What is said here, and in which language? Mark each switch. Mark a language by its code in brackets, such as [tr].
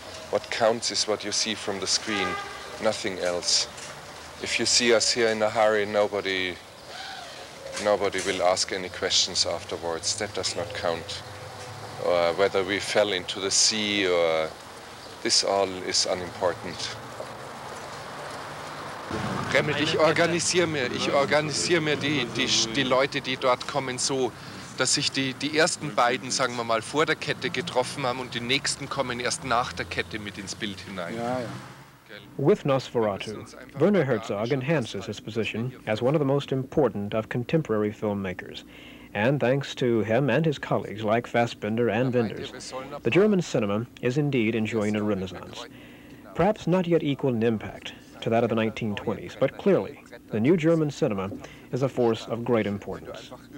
[en] What counts is what you see from the screen, nothing else. If you see us here in a hurry, nobody will ask any questions afterwards. That does not count. Or whether we fell into the sea or... This all is unimportant. [de] Remmelt, ich organisiere mir die Leute, die dort kommen, so, dass sich die ersten beiden, sagen wir mal, vor der Kette getroffen haben und die nächsten kommen erst nach der Kette mit ins Bild hinein. Ja, ja. [en] With Nosferatu, Werner Herzog enhances his position as one of the most important of contemporary filmmakers. And thanks to him and his colleagues like Fassbinder and Wenders, the German cinema is indeed enjoying a renaissance. Perhaps not yet equal in impact to that of the 1920s, but clearly, the new German cinema is a force of great importance.